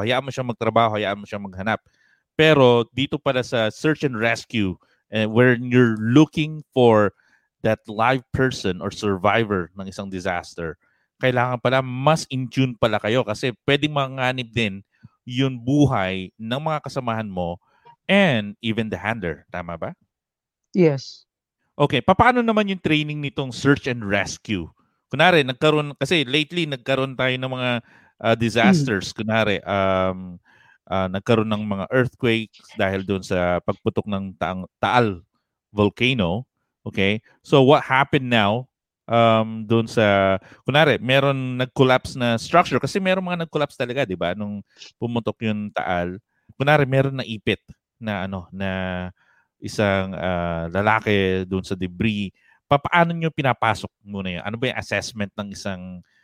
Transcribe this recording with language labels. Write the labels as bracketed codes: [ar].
[tl] Hayaan mo siyang magtrabaho, hayaan mo siyang maghanap. Pero dito pala sa search and rescue, [en] where you're looking for that live person or survivor [tl] ng isang disaster, kailangan pala mas in tune pala kayo kasi pwedeng manganib din yun buhay ng mga kasamahan mo [en] and even the handler. [tl] Tama ba? [en] Yes. [tl] Okay, paano naman yung training nitong search and rescue? Kunwari, nagkaroon, kasi lately nagkaroon tayo ng mga disasters. Mm. Kunwari, nagkaroon ng mga earthquakes dahil doon sa pagputok ng Taal volcano. [en] Okay, so what happened now? [tl] Doon sa, kunwari, meron nag-collapse na structure kasi meron mga nag-collapse talaga, di ba? Nung pumutok yung Taal, kunwari, meron na ipit na ano, na isang lalaki doon sa debris. Paano nyo pinapasok muna yun? Ano ba yung assessment ng isang